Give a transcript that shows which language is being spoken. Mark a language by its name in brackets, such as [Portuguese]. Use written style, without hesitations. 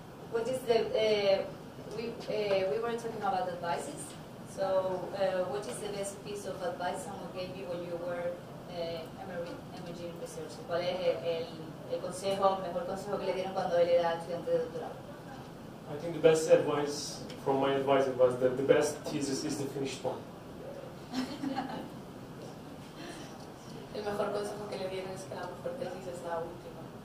[English] What is the we were talking about advices. So, what is the best piece of advice someone gave you when you were emerging research? [Spanish] ¿Cuál es el consejo, el mejor consejo que le dieron cuando él era estudiante de doctorado? [English] I think the best advice from my advisor was that the best thesis is the finished one. [Spanish] El mejor consejo que le dieron es que la mejor tesis es la última.